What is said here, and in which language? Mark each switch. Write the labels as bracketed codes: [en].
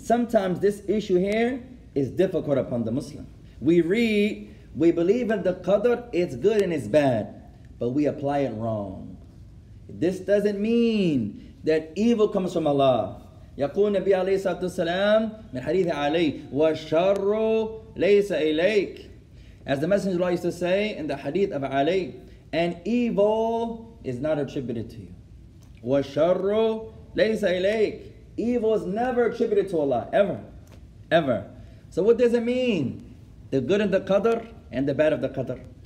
[en] Sometimes this issue here is difficult upon the Muslim. We read, we believe in the Qadr, it's good and it's bad, but we apply it wrong. This doesn't mean that evil comes from Allah. [ar] يقول النبي عليه الصلاة والسلام من حديث علي والشر ليس إليك. [en] As the Messenger of Allah used to say in the hadith of Ali, an evil is not attributed to you. [ar] وَشَرُّ لَيْسَ إِلَيْكَ. [en] Evil is never attributed to Allah, ever, ever. So what does it mean? The good of the Qadr and the bad of the Qadr.